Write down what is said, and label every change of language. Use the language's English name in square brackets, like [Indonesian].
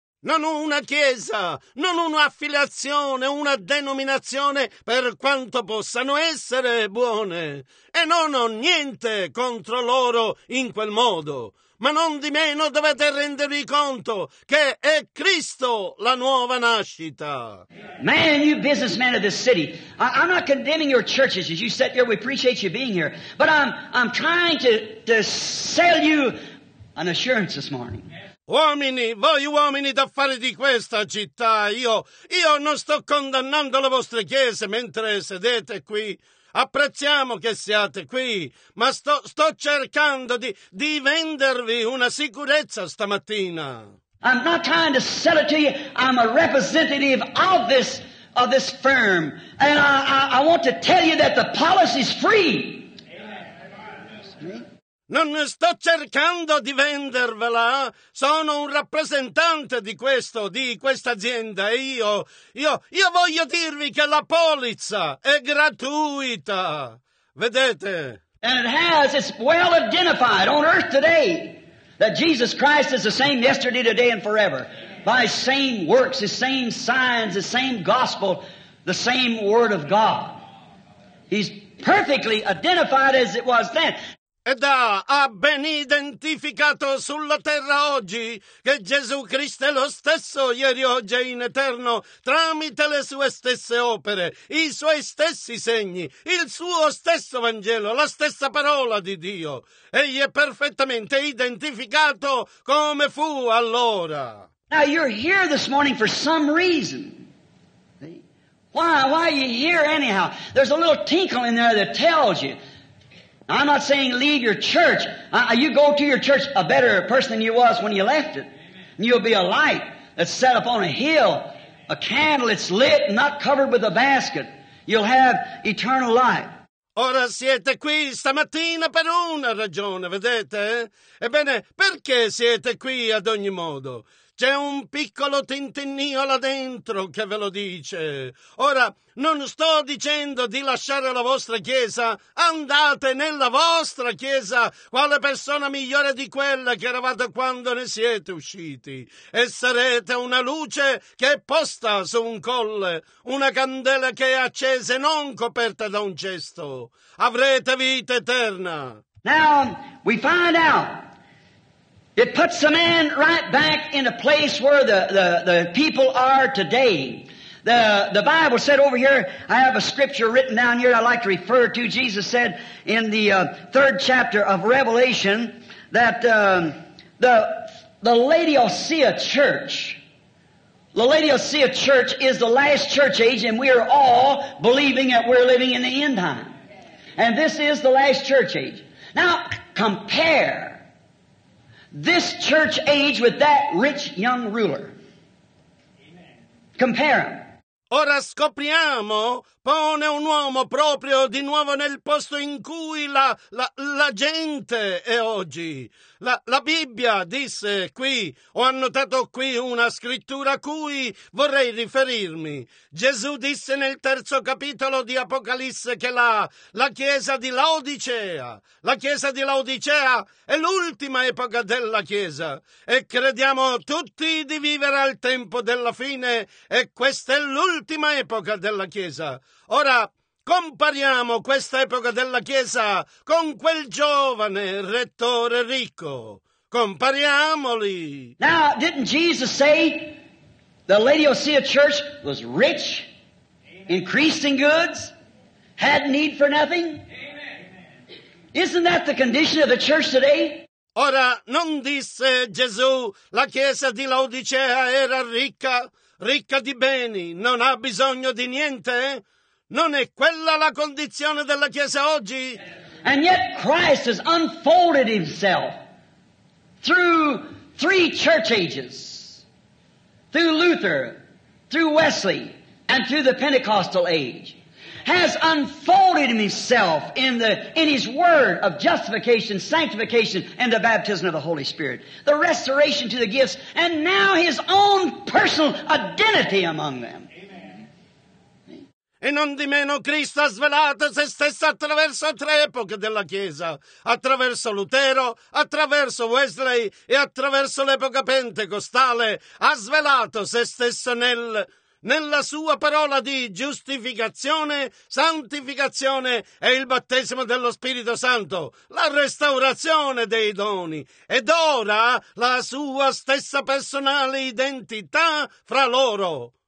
[Italian] Non una chiesa, non un'affiliazione, una denominazione, per quanto possano essere buone. E non ho niente contro loro in quel modo. Ma non di meno dovete rendervi conto che è Cristo la nuova nascita. [English] Man, you businessmen of this city, I'm not condemning your churches as you sit here. We appreciate you being here. But I'm trying to sell you an assurance this morning. [Italian] Uomini, voi uomini d'affari di questa città, io non sto condannando le vostre chiese mentre sedete qui. Apprezziamo che siate qui, ma sto cercando di vendervi una sicurezza stamattina. [English] I'm not trying to sell it to you. I'm a representative of this firm. And I want to tell you that the policy's free. [Italian] Non sto cercando di vendervela, sono un rappresentante di questo, di questa azienda, e io voglio dirvi che la polizza è gratuita, vedete? [English] And it's well identified on earth today that Jesus Christ is the same yesterday, today and forever. By his same works, his same signs, the same gospel, the same word of God. He's perfectly identified as it was then. [Italian] Ed ha ben identificato sulla terra oggi che Gesù Cristo è lo stesso ieri, oggi e in eterno, tramite le sue stesse opere, i suoi stessi segni, il suo stesso Vangelo, la stessa parola di Dio. Egli è perfettamente identificato come fu allora. [English] Now you're here this morning for some reason. Why are you here anyhow? There's a little tinkle in there that tells you. I'm not saying leave your church. You go to your church a better person than you was when you left it. And you'll be a light that's set up on a hill, a candle that's lit, not covered with a basket. You'll have eternal light. [Italian] Ora siete qui stamattina per una ragione, vedete? Ebbene, perché siete qui ad ogni modo? C'è un piccolo tintinnio là dentro che ve lo dice. Ora, non sto dicendo di lasciare la vostra chiesa. Andate nella vostra chiesa. Quale persona migliore di quella che eravate quando ne siete usciti? E sarete una luce che è posta su un colle, una candela che è accesa e non coperta da un cesto. Avrete vita eterna. [English] Now, we find out. It puts a man right back in a place where the people are today. The Bible said over here, I have a scripture written down here I'd like to refer to. Jesus said in the third chapter of Revelation that the Laodicea church, the Laodicea church is the last church age, and we are all believing that we're living in the end time. And this is the last church age. Now, compare this church age with that rich young ruler. Compare them. [Italian] Ora scopriamo, pone un uomo proprio di nuovo nel posto in cui la gente è oggi. La Bibbia disse qui, ho annotato qui una scrittura a cui vorrei riferirmi. Gesù disse nel terzo capitolo di Apocalisse che la chiesa di Laodicea, la chiesa di Laodicea è l'ultima epoca della chiesa, e crediamo tutti di vivere al tempo della fine, e questa è l'ultima epoca della chiesa. Ora, compariamo questa epoca della Chiesa con quel giovane rettore ricco. Compariamoli. [English] Now, didn't Jesus say the Laodicea church was rich, increased in goods, had need for nothing? Isn't that the condition of the church today? [Italian] Ora, non disse Gesù la Chiesa di Laodicea era ricca, ricca di beni, non ha bisogno di niente? Non è quella la condizione della Chiesa oggi? [English] And yet Christ has unfolded himself through three church ages, through Luther, through Wesley, and through the Pentecostal age. has unfolded himself in his word of justification, sanctification, and the baptism of the Holy Spirit, the restoration to the gifts, and now his own personal identity among them. [Italian] E non di meno Cristo ha svelato se stesso attraverso tre epoche della Chiesa, attraverso Lutero, attraverso Wesley e attraverso l'epoca pentecostale, ha svelato se stesso nella sua parola di giustificazione, santificazione e il battesimo dello Spirito Santo, la restaurazione dei doni ed ora la sua stessa personale identità fra loro.